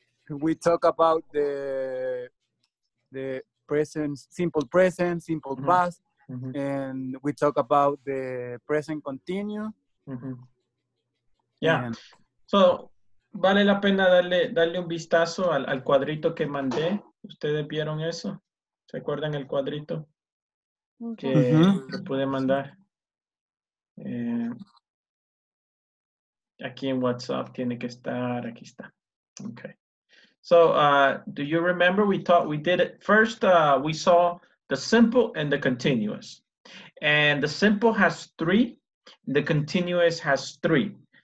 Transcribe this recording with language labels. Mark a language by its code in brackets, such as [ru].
[en] We talk about the present, simple present, simple past, and we talk about the present continue. [es] Yeah, so vale la pena darle un vistazo al cuadrito que mandé. ¿Ustedes vieron eso? ¿Se acuerdan el cuadrito que pude mandar? Aquí en WhatsApp tiene que estar, aquí está. [en] Okay. So, do you remember we saw the simple and the continuous. And the simple has three, the continuous has three.